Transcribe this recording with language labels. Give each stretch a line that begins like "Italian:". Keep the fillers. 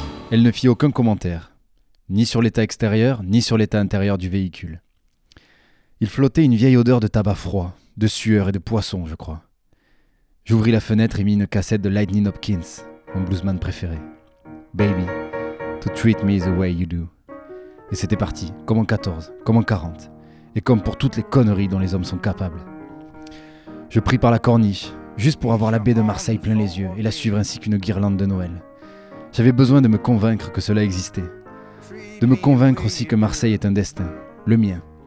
French: Elle ne fit aucun commentaire, ni sur l'état extérieur, ni sur l'état intérieur du véhicule. Il flottait une vieille odeur de tabac froid, de sueur et de poisson, je crois. J'ouvris la fenêtre et mis une cassette de Lightning Hopkins, mon bluesman préféré.
English: Baby, to treat me the way you do.
French: Et c'était parti, comme en 14, comme en 40, et comme pour toutes les conneries dont les hommes sont capables. Je pris par la corniche, juste pour avoir la baie de Marseille plein les yeux et la suivre ainsi qu'une guirlande de Noël. J'avais besoin de me convaincre que cela existait, de me convaincre aussi que Marseille est un destin, le mien.